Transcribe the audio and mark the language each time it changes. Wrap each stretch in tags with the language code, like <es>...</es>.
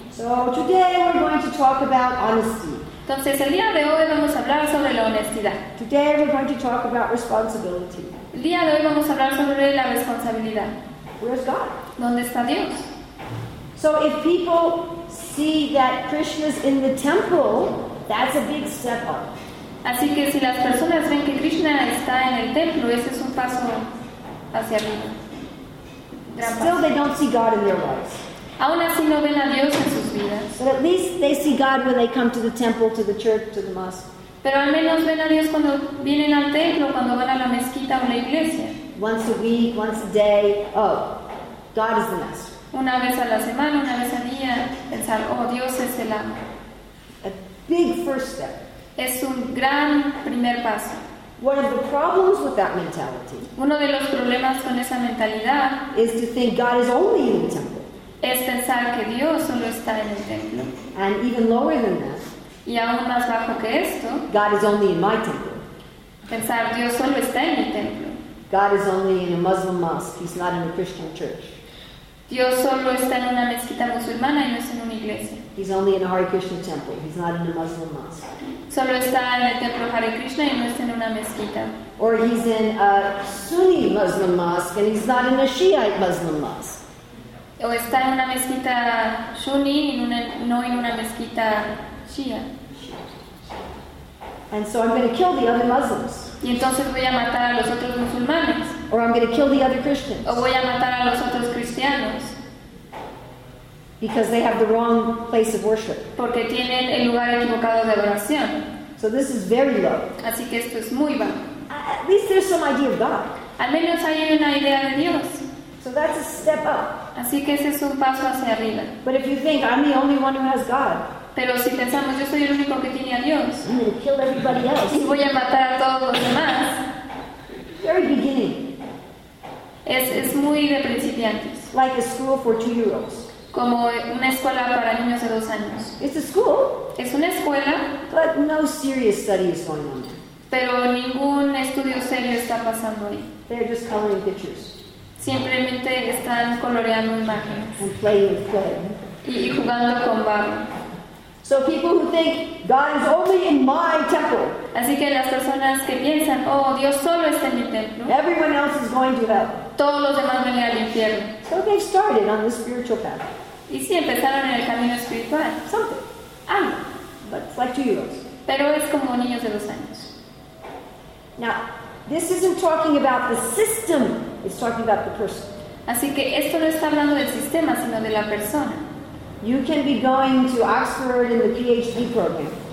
<en>So today we're going to talk about honesty.</en> <es>Entonces el día de hoy vamos a hablar sobre la honestidad.</es> <en>Today we're going to talk about responsibility.</en> <es>El día de hoy vamos a hablar sobre la responsabilidad.</es> <en>Where's God?</en> <es>¿Dónde está Dios?</es> <en>So if people see that Krishna's in the temple, that's a big step up.</en> <es>Así que si las personas ven que Krishna está en el templo, ese es un paso hacia arriba.</es> <en>Still, they don't see God in their lives.</en> <es>Aún así no ven a Dios en sus vidas.</es> <en>But at least they see God when they come to the temple, to the church, to the mosque.</en> <es>Pero al menos ven a Dios cuando vienen al templo, cuando van a la mezquita o la iglesia.</es> <en>Once a week, once a day. Oh, God is the master.</en> <es>Una vez a la semana, una vez al día, pensar, oh, Dios es el amo.</es> <en>A big first step.</en> <es>Es un gran primer paso.</es> <en>One of the problems with that mentality.</en> <es>Uno de los problemas con esa mentalidad.</es> <en>Is to think God is only in the temple.</en> <es>Es pensar que Dios solo está en el templo.</es> <en>And even lower than that.</en> <es>Y aún más bajo que esto.</es> <en>God is only in my temple.</en> <es>Pensar Dios solo está en mi templo.</es> <en>God is only in a Muslim mosque. He's not in a Christian church.</en> <es>Dios solo está en una mezquita musulmana y no es en una iglesia.</es> <en>He's only in a Hare Krishna temple. He's not in a Muslim mosque.</en> <es>Solo está en el templo Hare Krishna y no está en una mezquita.</es> <en>Or he's in a Sunni Muslim mosque and he's not in a Shiite Muslim mosque.</en> <es>O está en una mezquita Sunni y no en una mezquita Shia.</es> <en>And so I'm going to kill the other Muslims.</en> <es>Y entonces voy a matar a los otros musulmanes.</es> <en>Or I'm going to kill the other Christians.</en> <es>O voy a matar a los otros cristianos.</es> <en>Because they have the wrong place of worship.</en> <es>Porque tienen el lugar equivocado de adoración.</es> <en>So this is very low.</en> <es>Así que esto es muy bajo.</es> <en>At least there's some idea of God.</en> <es>Al menos hay una idea de Dios.</es> <en>So that's a step up.</en> <es>Así que ese es un paso hacia arriba.</es> <en>But if you think I'm the only one who has God.</en> <es>Pero si pensamos yo soy el único que tiene a Dios.</es> <en>I'm going to kill everybody else.</en> <es>Y voy a matar a todos los demás.</es> <en>Very beginning.</en> <es>Es muy de principiantes.</es> <en>Like a school for 2-year-olds.</en> <es>Como una escuela para niños de 2 años.</es> <en>It's a school.</en> <es>Es una escuela.</es> <en>But no serious study is going on.</en> <es>Pero ningún estudio serio está pasando ahí.</es> <en>They're just coloring pictures.</en> <es>Simplemente están coloreando imágenes.</es> <en>And playing with clay.</en> <es>Y jugando con barro.</es> <en>So people who think God is only in my temple.</en> <es>Así que las personas que piensan, oh, Dios solo está en mi templo.</es> <en>Everyone else is going to hell.</en> <es>Todos los demás van al infierno.</es> <en>So they started on the spiritual path.</en> <es>Y sí, empezaron en el camino espiritual.</es> <en>Something.</en> <es>Algo.</es> <en>But it's like 2 years.</en> <es>Pero es como niños de 2 años.</es> <en>Now, this isn't talking about the system. It's talking about the person.</en> <es>Así que esto no está hablando del sistema, sino de la persona.</es> <en>You can be going to Oxford in the PhD program.</en>